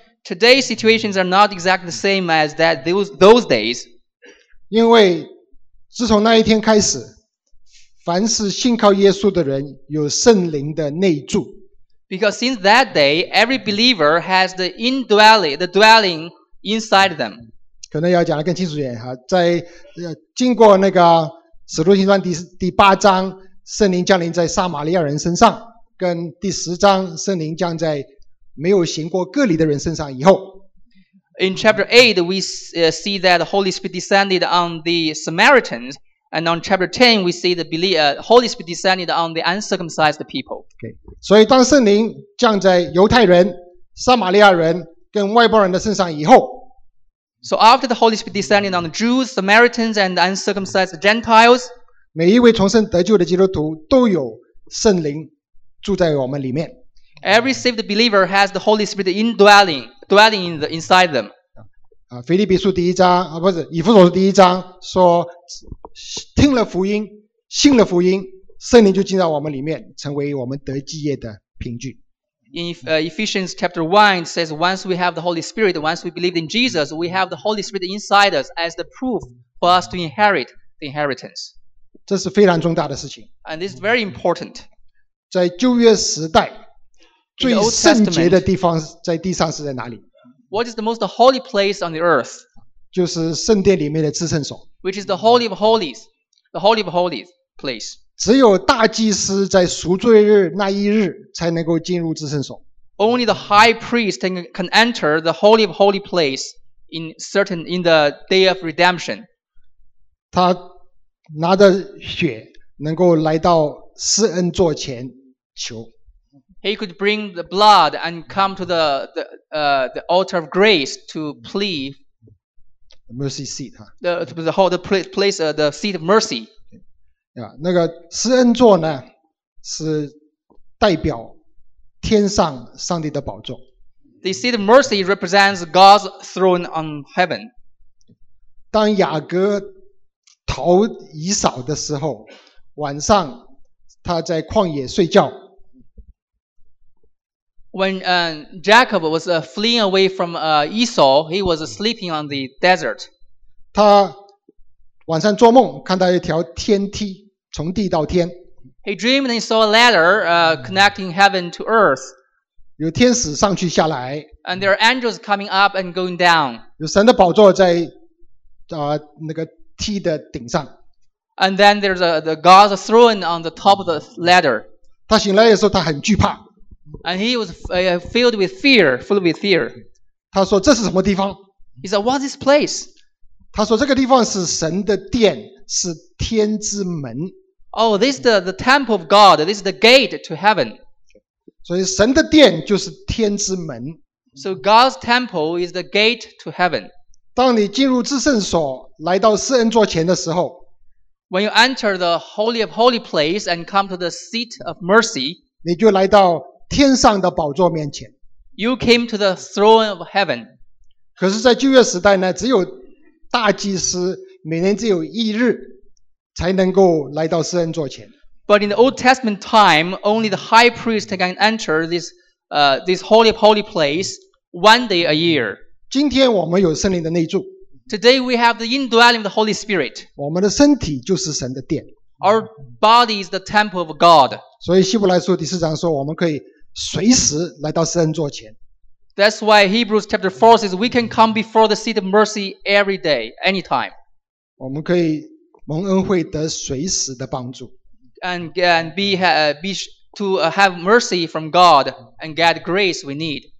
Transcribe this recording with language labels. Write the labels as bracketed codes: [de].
[en] Today's situations are not exactly the same as that those days. [zh] 因为自从那一天开始，凡是信靠耶稣的人有圣灵的内住。 [en] Because since that day, every believer has the indwelling, the dwelling inside them. [zh] 可能要讲得更清楚一点哈，在经过那个使徒行传第八章，圣灵降临在撒玛利亚人身上，跟第十章圣灵降在没有行过割礼的人身上以后。 [en] In chapter 8, we see that the Holy Spirit descended on the Samaritans. And on chapter 10, we see the Holy Spirit descended on the uncircumcised people. Okay. [zh] 所以当圣灵降在犹太人、撒玛利亚人跟外邦人的身上以后。 [en] So after the Holy Spirit descended on the Jews, Samaritans, and the uncircumcised Gentiles, [zh] 每一位重生得救的基督徒都有圣灵住在我们里面。 [en] Every saved believer has the Holy Spirit dwelling inside them. [zh] 腓立比书第一章啊，不是以弗所书第一章说，听了福音，信了福音，圣灵就进到我们里面，成为我们得基业的凭据。 [en] In Ephesians chapter 1 says, once we have the Holy Spirit, once we believe in Jesus, we have the Holy Spirit inside us as the proof for us to inherit the inheritance. [zh] 这是非常重大的事情。 [en] And this is very important. [zh] 在旧约时代。最圣洁的地方在地上是在哪里 [en] ？What is the most holy place on the earth？ [zh] 就是圣殿里面的至圣所。 [en] Which is the holy of holies, the holy of holies place？ [zh] 只有大祭司在赎罪日那一日才能够进入至圣所。 [en] Only the high priest can enter the holy of holy place in the day of redemption。 [zh] 他拿着血能够来到施恩座前求。 [en] He could bring the blood and come to the altar of grace to plead. The mercy seat, huh? The seat of mercy. [zh] Yeah, 那个施恩座呢，是代表天上上帝的宝座。 [en] The seat of mercy represents God's throne on heaven. [zh] 当雅各逃以扫的时候，晚上他在旷野睡觉。 [en] When Jacob was fleeing away from Esau, he was sleeping on the desert. [zh] 他晚上做梦看到一条天梯从地到天。 [en] He dreamed and he saw a ladder connecting heaven to earth. [zh] 有天使上去下来。 [en] And there are angels coming up and going down. [zh] 有神的宝座在那个梯的顶上。 [en] And then there's the God's throne on the top of the ladder. [zh] 他醒来的时候，他很惧怕。 [en] And he was filled with fear, full with fear. [zh] 他说这是什么地方？ [en] He said, "What's this place?" [zh] 他说这个地方是神的殿，是天之门。 [en] Oh, this is the temple of God. This is the gate to heaven. [zh] 所以神的殿就是天之门。 [en] So God's temple is the gate to heaven. [zh] 当你进入至圣所，来到施恩座前的时候 [en] ，When you enter the holy of holy place and come to the seat of mercy, [zh] 你就来到天上的宝座面前。 [en] You came to the throne of heaven. [zh] 可是在旧约时代呢，只有大祭司每年只有一日才能够来到施恩座前。 [en] But in the Old Testament time, only the high priest can enter this holy holy place one day a year. [zh] 今天我们有圣灵的内住。 [en] Today we have the indwelling of the Holy Spirit. [zh] 我们的身体就是神的殿。 [en] Our body is the temple of God. [zh] 所以希伯来书第四章说，我们可以随时来到施恩座前。 [en] That's why Hebrews chapter 4 says we can come before the seat of mercy every day, anytime. [zh] 我们可以蒙恩惠得随时的帮助。 [en] And be to have mercy from God and get grace we need.